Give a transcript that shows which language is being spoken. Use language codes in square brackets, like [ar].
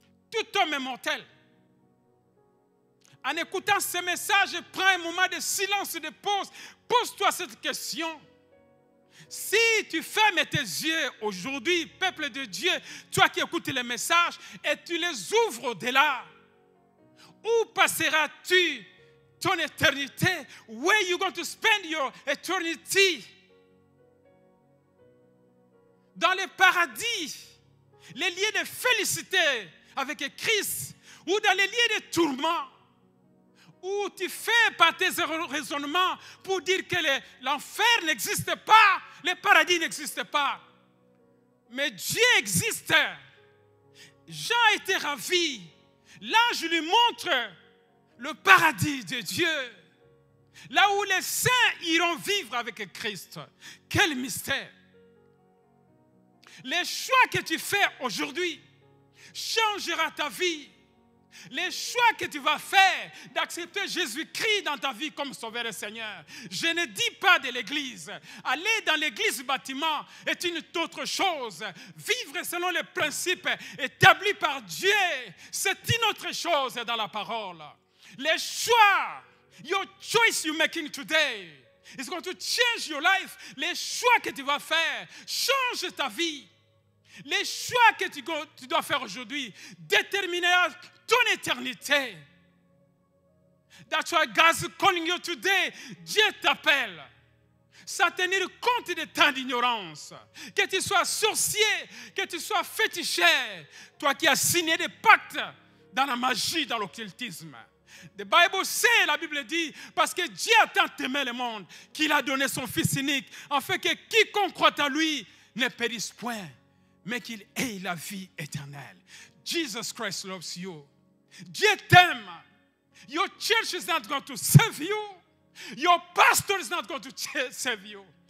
[fr] Tout homme est mortel. En écoutant ce message, prends un moment de silence, de pause. Pose-toi cette question. Si tu fermes tes yeux aujourd'hui, peuple de Dieu, toi qui écoutes les messages, et tu les ouvres au-delà, où passeras-tu ton éternité? [en] Where are you going to spend your eternity? [fr] Dans le paradis, les lieux de félicité, avec Christ, ou dans les lieux de tourment, où tu fais par tes raisonnements pour dire que l'enfer n'existe pas, le paradis n'existe pas. Mais Dieu existe. Jean était ravi. L'ange lui montre le paradis de Dieu, là où les saints iront vivre avec Christ. Quel mystère! Les choix que tu fais aujourd'hui changera ta vie. Les choix que tu vas faire d'accepter Jésus-Christ dans ta vie comme sauveur et Seigneur. Je ne dis pas de l'église. Aller dans l'église bâtiment est une autre chose. Vivre selon les principes établis par Dieu, c'est une autre chose dans la parole. Les choix, [en] your choice you're making today is going to change your life. [fr] Les choix que tu vas faire changent ta vie. Les choix que tu dois faire aujourd'hui détermineront ton éternité. [en] That's why God's calling you today. [fr] Dieu t'appelle. sans tenir compte de tant d'ignorance. Que tu sois sorcier, que tu sois féticheur, toi qui as signé des pactes dans la magie, dans l'occultisme. [en] The Bible says, [fr] la Bible dit, parce que Dieu a tant aimé le monde qu'il a donné son Fils unique, afin que quiconque croit à lui ne périsse point, mais qu'il ait la vie éternelle. [en] Jesus Christ loves you. [fr] Dieu t'aime. [en] Your church is not going to save you. Your pastor is not going to save you.